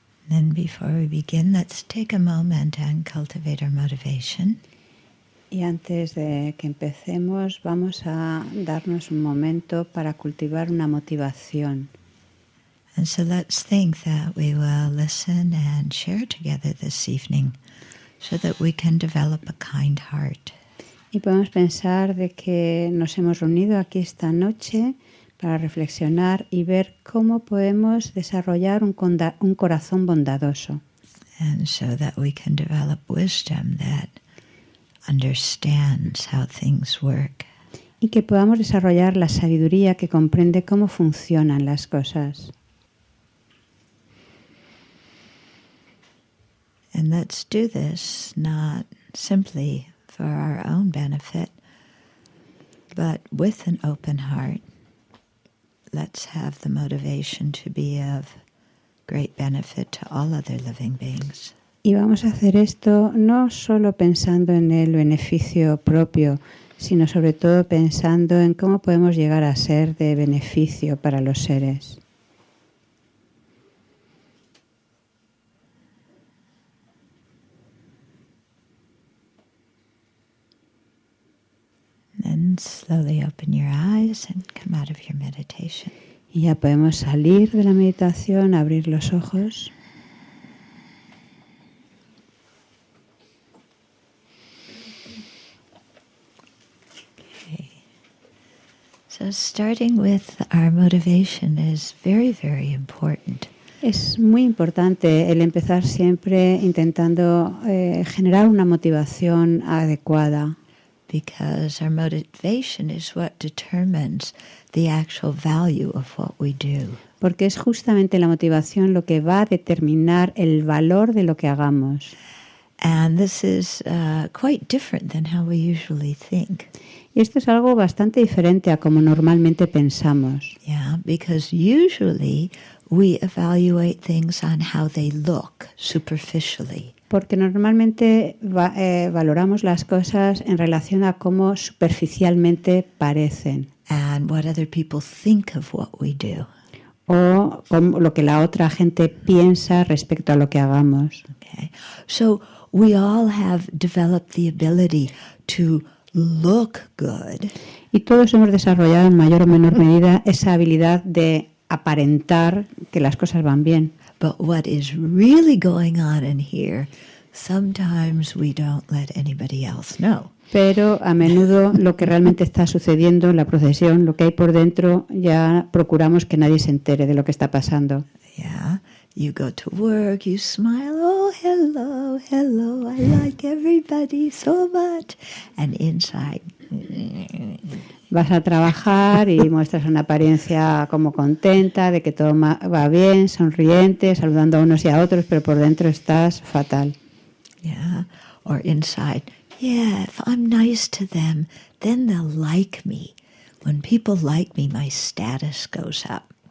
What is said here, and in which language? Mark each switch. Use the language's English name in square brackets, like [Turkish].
[English] And before we begin, let's take a moment and cultivate our motivation. [Spanish] Y antes de que empecemos, vamos a darnos un momento para cultivar una motivación. [English] And so let's think that we will listen and share together this evening so that we can develop a kind heart. [Spanish] Y podemos pensar de que nos hemos reunido aquí esta noche para reflexionar y ver cómo podemos desarrollar un corazón bondadoso. [English] And so that we can develop wisdom that understands how things work. [Spanish] Y que podamos desarrollar la sabiduría que comprende cómo funcionan las cosas. [English] And let's do this not simply for our own benefit, but with an open heart. Let's have the motivation to be of great benefit to all other living beings. [Spanish] Y vamos a hacer esto no solo pensando en el beneficio propio, sino sobre todo pensando en cómo podemos llegar a ser de beneficio para los seres. [English] And slowly open your eyes and come out of your meditation. [Spanish] Y ya podemos salir de la meditación, abrir los ojos. [English] So starting with our motivation is very, very important. [Spanish] Es muy importante el empezar siempre intentando generar una motivación adecuada. [English] Because our motivation is what determines the actual value of what we do. [Spanish] Porque es justamente la motivación lo que va a determinar el valor de lo que hagamos. [English] And this is quite different than how we usually think. [Spanish] Y esto es algo bastante diferente a como normalmente pensamos. [English] Yeah, because usually we evaluate things on how they look superficially. [Spanish] Porque normalmente valoramos las cosas en relación a cómo superficialmente parecen. [English] And what other people think of what we do. [Spanish] O cómo, lo que la otra gente piensa respecto a lo que hagamos. [English] Okay. So we all have developed the ability to look good. [Spanish] Y todos hemos desarrollado en mayor o menor medida esa habilidad de aparentar que las cosas van bien. [English] But what is really going on in here, sometimes we don't let anybody else know. [Spanish] Pero a menudo lo que realmente está sucediendo en la procesión, lo que hay por dentro, ya procuramos que nadie se entere de lo que está pasando. [English] Yeah. You go to work, you smile, oh, hello, hello, I like everybody so much. And inside. [Spanish] Vas a trabajar y muestras una apariencia como contenta, de que todo va bien, sonriente, saludando a unos y a otros, pero por dentro estás fatal. [English] Yeah, or inside. Yeah, if I'm nice to them, then they'll like me. When people like me, my status goes up.